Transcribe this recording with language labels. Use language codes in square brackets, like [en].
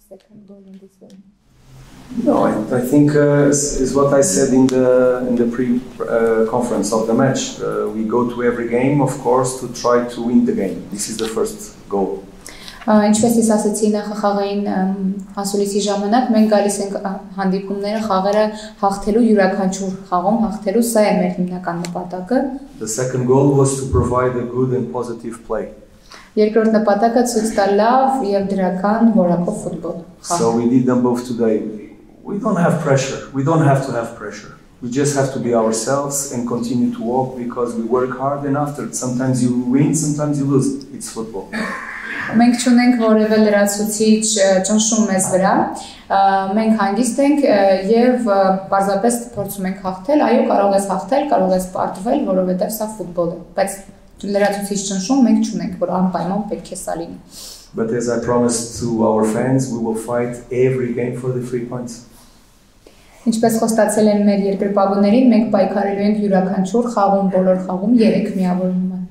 [en] I think is what I said in the conference of the match. We go to every game, of course, to try to win the game. This is the first goal. [hy] Ինչպես ես ասացի նախաղային հասուլիսի ժամանակ, մենք գալիս ենք հանդիպումները խաղերը հաղթելու, յուրաքանչյուր խաղում հաղթելու, սա է մեր հիմնական նպատակը. [en] The second goal was to provide a good and positive play. [hy] Երկրորդ նպատակը ցույց տալ լավ եւ դրական որակով ֆուտբոլ [en] խաղ. So we did them both today. We don't have pressure. We don't have to have pressure. We just have to be ourselves and continue to walk, because we work hard, and after sometimes you win, sometimes you lose. It's football. [hy] Մենք չունենք որևէ լրացուցիչ ճնշում մեզ վրա, մենք հանգիստ ենք եւ պարզապես փորձում ենք հաղթել, այո, կարող ես հաղթել, կարող ես պարտվել, որովհետեւ սա ֆուտբոլ է, բայց լրացուցիչ ճնշում մենք չունենք, որ անպայման պետք է սա լինի. [en] But as I promised to our fans, we will fight every game for the 3 points. [hy] Ինչպես խոստացել են մեր երկրպագուներին, մենք պայքարելու ենք յուրաքանչյուր խաղում, բոլոր խաղում 3 միավորում.